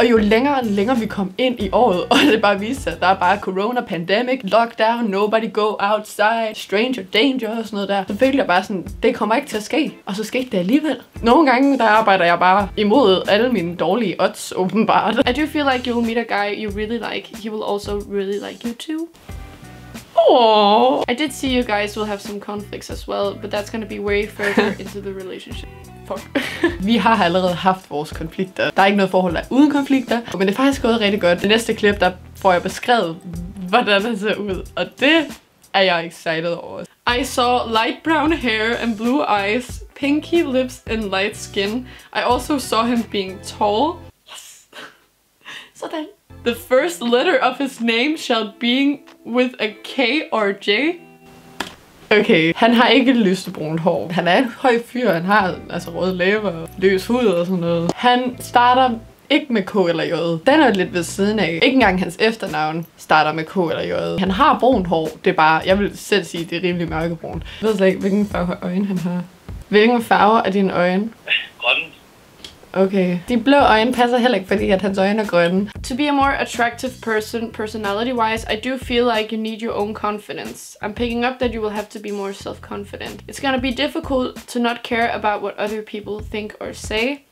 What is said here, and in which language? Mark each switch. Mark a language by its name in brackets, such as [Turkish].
[Danish] Og jo længere og længere vi kom ind i året, og det bare viste sig, at der er bare corona, [English] pandemic, lockdown, nobody go outside, stranger danger [Danish] og sådan noget der. Så følte jeg bare sådan, det kommer ikke til at ske, og så skete det alligevel. Nogle gange, der arbejder jeg bare imod alle mine dårlige odds, åbenbart. [English] I do feel like you'll meet a guy you really like, he will also really like you too. Aww. I did see you guys will have some conflicts as well, but that's gonna be way further into the relationship. [Danish] Fuck. Vi har allerede haft vores konflikter. Der er ikke noget forhold der uden konflikter, men det er faktisk gået rigtig godt. Det næste klip, der får jeg beskrevet, hvordan det ser ud, og det er jeg excited over. [English] I saw light brown hair and blue eyes, pinky lips and light skin. I also saw him being tall. [Danish] Yes. Sådan. [English] The first letter of his name shall be with a K or J. [Danish] Okay, han har ikke lyst brunt hår. Han er en høj fyr, han har altså røde læber, løs hud og sådan noget. Han starter ikke med K eller J. Den er lidt ved siden af. Ikke engang hans efternavn starter med K eller J. Han har brunt hår, det er bare, jeg vil selv sige, det er rimelig mørkebrunt. Jeg ved slet ikke, hvilken farve øjne han har. Hvilken farve er dine øjne? Okay. De blå øjne passer heller ikke, fordi at hans øjne er grønne. [English] To be a more attractive person, personality-wise, I do feel like you need your own confidence. I'm picking up that you will have to be more self-confident. It's gonna be difficult to not care about what other people think or say.